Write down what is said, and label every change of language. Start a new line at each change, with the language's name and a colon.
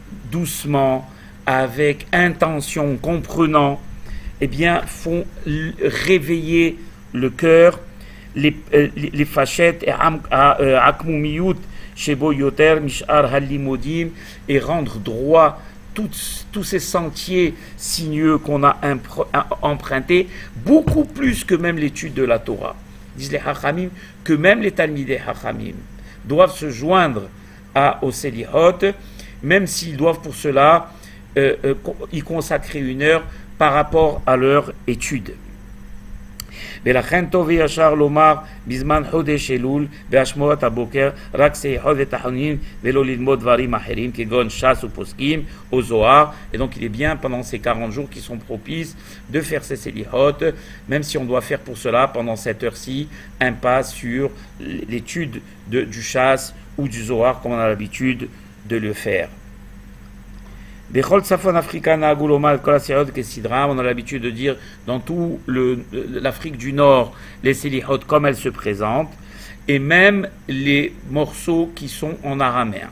French: doucement, avec intention, comprenant, eh bien, font réveiller le cœur, les fachettes, et
Hebrew: akmumiyut shebo yoter mishar halimodim,
French: et rendre droit tous ces sentiers sinueux qu'on a empruntés, beaucoup plus que même l'étude de la Torah. Disent les hachamim, que même les talmidei hachamim doivent se joindre au Selihot, même s'ils doivent pour cela y consacrer une heure par rapport à leur étude.
Hebrew: ולכן טוב וישר לומר בזמן חודש אלול והשמורת הבוקר רק שיחות ותחנונים ולא ללמוד דברים אחרים כגון ש"ס ופוסקים או זוהר.
French: Et donc il est bien pendant ces 40 jours qui sont propices de faire ces Selihot, même si on doit faire pour cela pendant cette heure-ci un pas sur l'étude du ש"ס ou du זוהר comme on a l'habitude de le faire.
Hebrew: בכל צפון אפריקה נהגו לומר את כל הסליחות כסדרם,
French: on a l'habitude de dire dans tout l'Afrique du Nord les Selihot comme elles se présentent, et même les morceaux qui sont en araméen.